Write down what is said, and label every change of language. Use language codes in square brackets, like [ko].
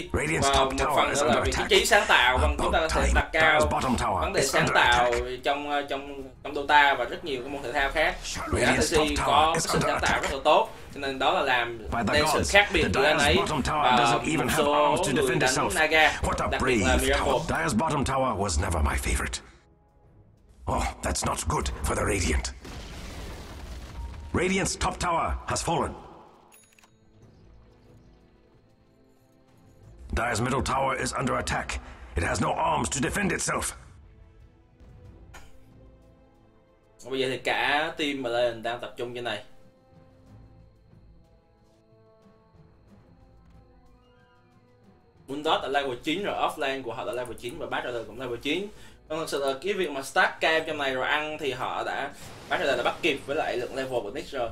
[vi] Và một phần nữa là vì cái trí sáng tạo, và chúng ta có thể đặt cao vấn đề sáng tạo trong trong trong Dota và rất nhiều cái môn thể thao khác, thì ATG có sức sáng tạo rất là tốt, cho nên đó là làm nên sự khác biệt giữa anh ấy và một số người đánh Naga, đặc biệt là Miracle. [en] Dire's bottom tower was never my favorite. Oh, that's not good for the Radiant. Radiant's top tower has fallen. Dire's middle tower is under attack. It has no arms to defend itself. [vi] Bây giờ thì cả team mà lên đang tập trung như này. Bulldog là level 9 rồi, offlane của họ là level 9 và Bastrider cũng level 9. Còn thực sự là cái việc mà stack cam trong này rồi ăn thì họ đã bắt là đã bắt kịp với lại lượng level của Nyx rồi.